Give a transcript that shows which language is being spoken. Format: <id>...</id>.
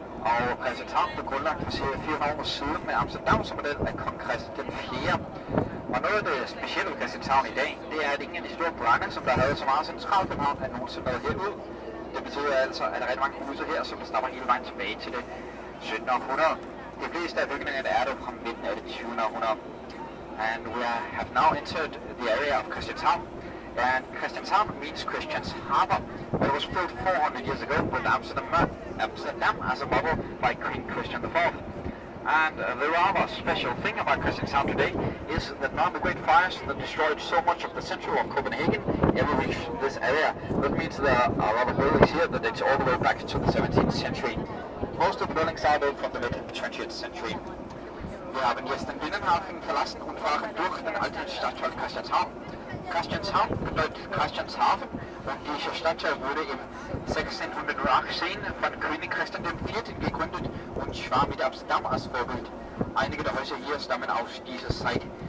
<da>Og Christianshavn blev grundlagt for cirka 400 år siden med Amsterdams model af kong Christian den 4. Og noget af det specielle ved Christianshavn i dag, det er, at ingen af de store brande, som der havde så meget centralt på København, er nogensinde været herud. Det betyder altså, at der er rigtig mange huse her, som stammer hele vejen tilbage til det 17. århundrede. De fleste af bygningerne er der fra midten af det 20. århundrede.</da> <en>And we have now entered the area of Christianshavn. And Christianshavn means Christian's Harbor. It was built 400 years ago with Amsterdam as a model by Queen Christian IV. And the rather special thing about Christianshavn today is that none of the great fires that destroyed so much of the central of Copenhagen ever reached this area. That means there are a lot of buildings here that date all the way back to the 17th century. Most of the buildings are built from the mid 20th century.</en> <de>Wir haben jetzt den Binnenhafen verlassen und fahren durch den alten Stadtteil Christianshavn. Christianshavn bedeutet Christianshafen und dieser Stadtteil wurde im 1618 von König Christian IV. Gegründet und schwar mit Amsterdam als Vorbild. Einige der Häuser hier stammen aus dieser Zeit.</de>